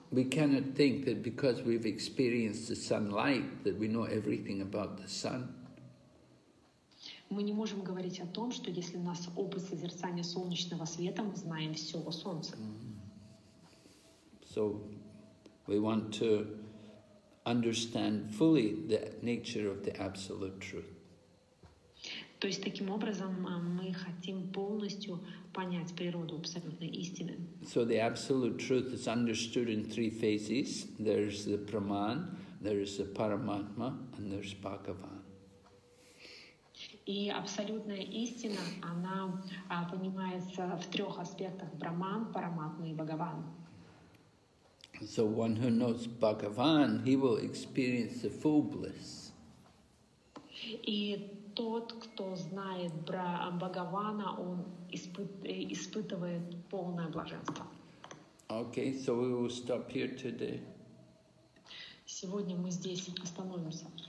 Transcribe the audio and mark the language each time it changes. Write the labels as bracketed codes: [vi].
[en] We cannot think that because we've experienced the sunlight that we know everything about the sun. [ru] Мы не можем говорить о том, что если у нас опыт созерцания солнечного света, мы знаем все о солнце. Mm-hmm. [en] So we want to understand fully the nature of the absolute truth. [ru] То есть таким образом мы хотим полностью понять природу абсолютной истины. [en] So the absolute truth is understood in three phases. There's the Praman, there's the Paramatma, and there's Bhagavan. [ru] И абсолютная истина, она понимается в трех аспектах: Браман, Параматма и Бхагаван. [en] So one who knows Bhagavan, he will experience the full bliss. [ru] И тот, кто знает Бхагавана, он испытывает полное блаженство. [en] Okay, so we will stop here today. [ru] Сегодня мы здесь остановимся.